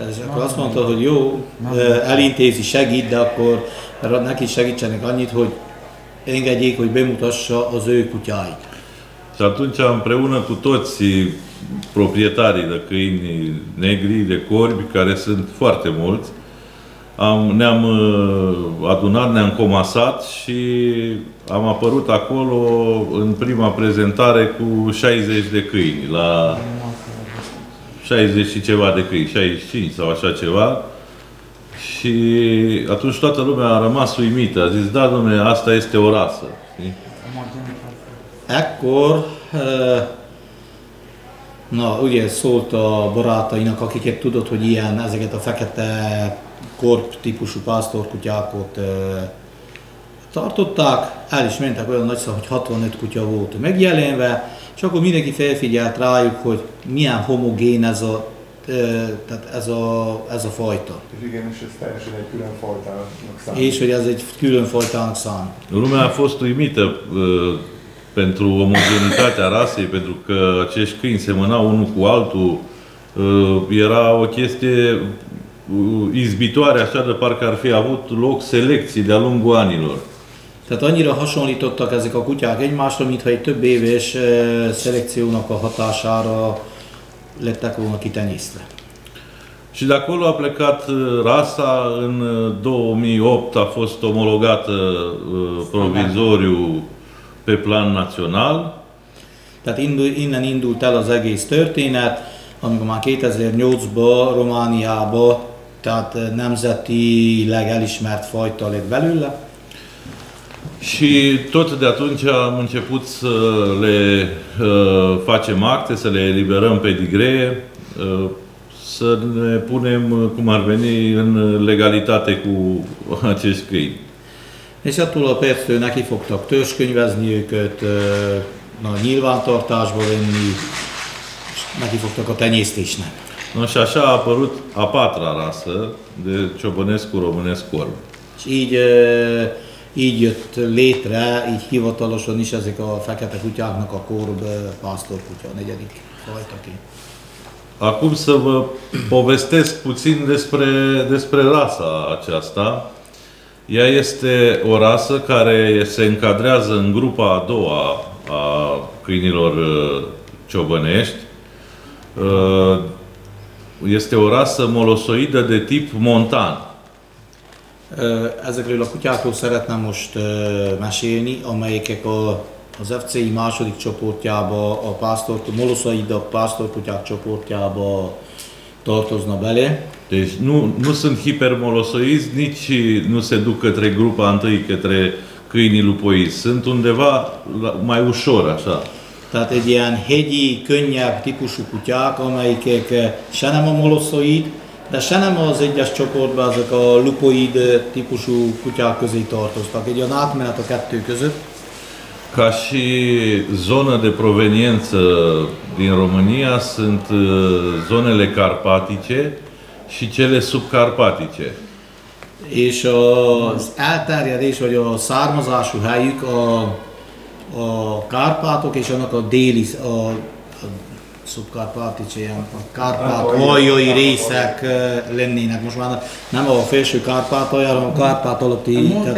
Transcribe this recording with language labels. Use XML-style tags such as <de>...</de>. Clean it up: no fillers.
<hu>Akkor azt mondta, hogy jó, elintézi, segít, de akkor neki segítsenek annyit, hogy engedjék, hogy bemutassa az ő kutyáit.</hu> <ro>Și atunci împreună cu toți proprietarii de câini negri, de corbi, care sunt foarte mulți, ne-am adunat, ne-am comasat și am apărut acolo în prima prezentare cu 60 de câini, la 60 și ceva de câini, 65 sau așa ceva. Și atunci toată lumea a rămas uimită, a zis, da, domnule, asta este o rasă.</ro> <hu>Ekkor, na, ugye szólt a barátainak, akiket tudott, hogy ilyen ezeket a fekete korp típusú pásztorkutyákot tartották, el is mentek olyan nagyszám, hogy 65 kutya volt megjelenve, és akkor mindenki felfigyelt rájuk, hogy milyen homogén ez a tehát ez a fajta. Igen, és ez teljesen egy külön fajtának szám. És hogy ez egy külön fajtának szám.</hu> <ro>Lumea a fost uimită pentru omogenitatea rasei, pentru că acești câini semănau unul cu altul. Era o chestie izbitoare, așa de parcă ar fi avut loc selecții de-a lungul anilor.</ro> <hu>Tehát annyira hasonlítottak ezek a kutyák egymásra, mintha egy több éves szelekciónak a hatására lettek volna kitenyésztve.</hu> <ro>Și de acolo a plecat rasa, în 2008 a fost omologată provizoriu pe plan național.</ro> <hu>Tehát innen indult el az egész történet, amikor már 2008-ban Romániában, tehát nemzetileg elismert fajta lett belőle.</hu> <ro>Și tot de atunci am început să le facem acte, să le eliberăm pedigree, să ne punem cum ar veni în legalitate cu acești câini. Deci atunci</ro> <hu>a perțul neki fogtak törzskönyvezni őket, na, nyilvántartásba venni, neki fogtak a tenyésztésnek.</hu> <ro>No, și așa a apărut a patra rasă de ciobănescu românesc corb.</ro> <hu>Și így így jött létre, így hivatalosan is ezek a fekete kutyáknak a korb pásztorkutya, a negyedik fajtaként.</hu> <ro>Acum să vă povestesc puțin despre rasa aceasta. Ea este o rasă care se încadrează în grupa a doua a câinilor ciobănești. Este o rasă molosoidă de tip montan.</ro> <hu>Ezekről a kutyákról szeretném most mesélni, amelyek az FCI második csoportjába, a moloszaidak pásztorkutyák csoportjába tartozna bele.</hu> <ro>Deci nu sunt hipermoloszoizi, nici nu se duc către grupa întâi, către câinii lupoizi. Sunt undeva mai ușor, așa.</ro> <hu>Tehát egy ilyen hegyi, könnyebb típusú kutyák, amelyek se nem a moloszoid, de se nem az egyes csoportban ezek a lupoid típusú kutyák közé tartoztak. Egy olyan átmenet a kettő között.</hu> <ro>Ca și zonă de proveniență din România sunt zonele carpatice și cele subcarpatice.</ro> <hu>És az elterjedés, vagy a származású helyük a Kárpátok és annak a déli a szubkárpátice, ilyen a Kárpát-aljai részek lennének. Most már nem a felső Kárpátalja, hanem a Kárpát alatti,</hu>